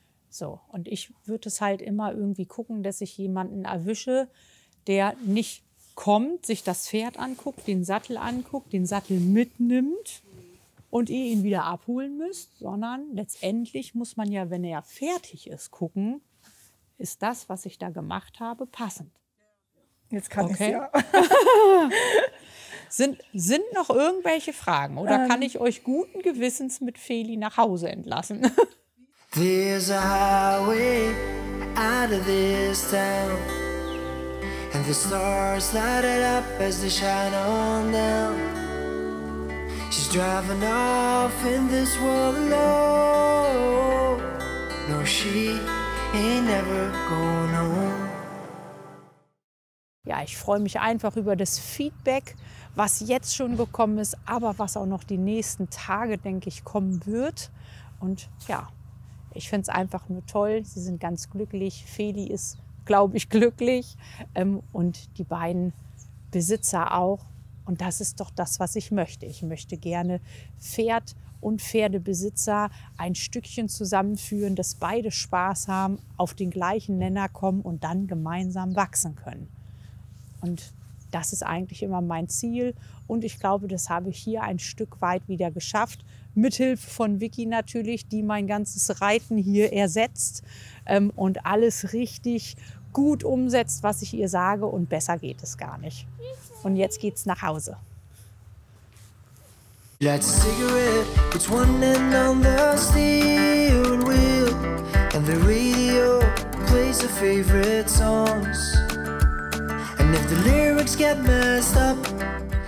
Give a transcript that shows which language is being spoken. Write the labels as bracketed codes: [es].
[de] So, und ich würde es halt immer irgendwie gucken, dass ich jemanden erwische, der nicht kommt, sich das Pferd anguckt, den Sattel mitnimmt und ihr ihn wieder abholen müsst, sondern letztendlich muss man ja, wenn er fertig ist, gucken, ist das, was ich da gemacht habe, passend. Jetzt kann ich es ja. sind noch irgendwelche Fragen oder kann ich euch guten Gewissens mit Feli nach Hause entlassen? [en] There's a highway out of this town. And the stars light it up as they shine on down. She's driving off in this world alone. No, she ain't never going home. [de] Ja, ich freue mich einfach über das Feedback, was jetzt schon gekommen ist, aber was auch noch die nächsten Tage, denke ich, kommen wird. Und ja, ich finde es einfach nur toll. Sie sind ganz glücklich. Feli ist, glaube ich, glücklich und die beiden Besitzer auch. Und das ist doch das, was ich möchte. Ich möchte gerne Pferd und Pferdebesitzer ein Stückchen zusammenführen, dass beide Spaß haben, auf den gleichen Nenner kommen und dann gemeinsam wachsen können. Und das ist eigentlich immer mein Ziel. Und ich glaube, das habe ich hier ein Stück weit wieder geschafft. Mithilfe von Vicky natürlich, die mein ganzes Reiten hier ersetzt und alles richtig gut umsetzt, was ich ihr sage. Und besser geht es gar nicht. Und jetzt geht's nach Hause. [en] Light a cigarette, it's one end on the steel wheel. And the radio plays the favorite songs. And if the lyrics get messed up,